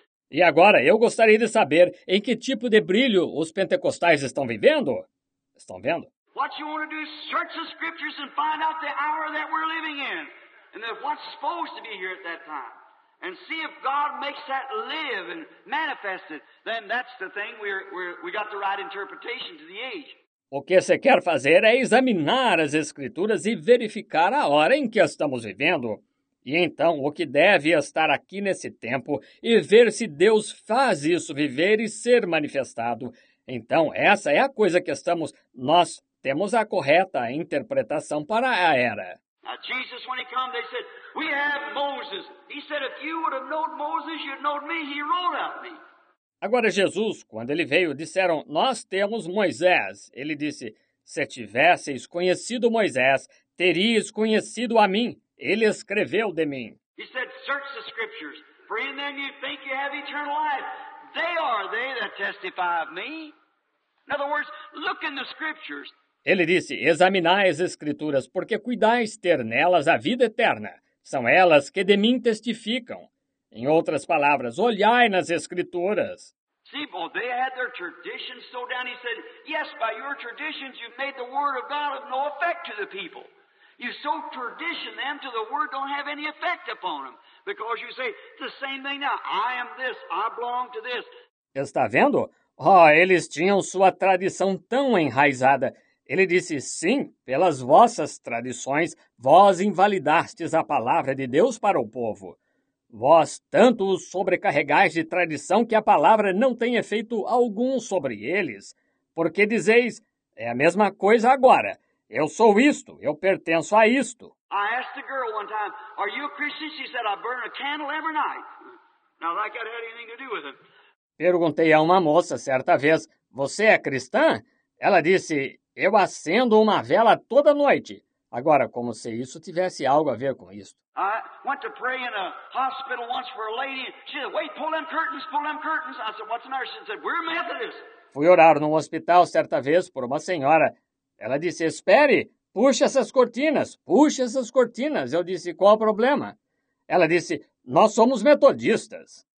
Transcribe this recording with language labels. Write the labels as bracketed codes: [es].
[pt] E agora eu gostaria de saber em que tipo de brilho os pentecostais estão vivendo. Estão vendo? [en] What you want to do is search the scriptures and find out the hour that we're living in and that what's supposed to be here at that time. And see if God makes that live and manifest it, then that's the thing we got the right interpretation to the age. [pt] O que você quer fazer é examinar as escrituras e verificar a hora em que estamos vivendo. E então, o que deve estar aqui nesse tempo e ver se Deus faz isso viver e ser manifestado. Então, essa é a coisa que estamos, nós temos a correta interpretação para a era. [en] Now, Jesus, when he come, they said, we have Moses. He said, if you would have known Moses, you'd know me. He wrote out me. [pt] Agora, Jesus, quando ele veio, disseram, nós temos Moisés. Ele disse, se tivesseis conhecido Moisés, terias conhecido a mim. Ele escreveu de mim. [en] He said, search the scriptures, for in them you think you have eternal life. They are they that testify of me. In other words, look in the scriptures. [pt] Ele disse, examinai as escrituras, porque cuidais ter nelas a vida eterna. São elas que de mim testificam. Em outras palavras, olhai nas escrituras. [en] See, well, they had their traditions so down, he said, yes, by your traditions you've made the word of God of no effect to the people. You so tradition them to the word don't have any effect upon them. Because you say, it's the same thing now, I am this, I belong to this. [pt] Está vendo? Oh, eles tinham sua tradição tão enraizada. Ele disse, sim, pelas vossas tradições, vós invalidastes a palavra de Deus para o povo. Vós tanto os sobrecarregais de tradição que a palavra não tem efeito algum sobre eles. Porque dizeis, é a mesma coisa agora. Eu sou isto, eu pertenço a isto. [en] I asked the girl one time, are you a Christian? She said, I burn a candle every night. Now, that got anything to do with it. [pt] Perguntei a uma moça certa vez, você é cristã? Ela disse, eu acendo uma vela toda noite. Agora, como se isso tivesse algo a ver com isso. [en] I went to pray in a hospital once for a lady. She said, wait, pull them curtains. I said, what's the matter? She said, we're Methodists. [pt] Fui orar num hospital certa vez por uma senhora. Ela disse, espere, puxe essas cortinas. Eu disse, qual o problema? Ela disse, nós somos metodistas.